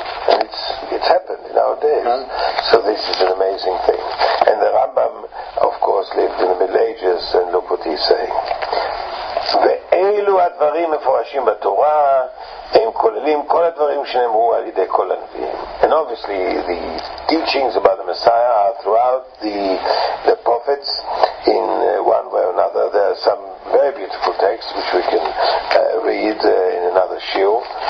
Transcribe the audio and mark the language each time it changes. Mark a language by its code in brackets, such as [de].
[en] And it's happened in our days. So this is an amazing thing. And the Rambam, of course, lived in the Middle Ages, and look what he's saying. [he] ואלו הדברים מפורשים בתורה, הם כוללים כל הדברים שנאמרו על ידי כל הנביאים. [en] And obviously the teachings about the Messiah are throughout the prophets in one way or another. There are some very beautiful texts which we can read in another shiur.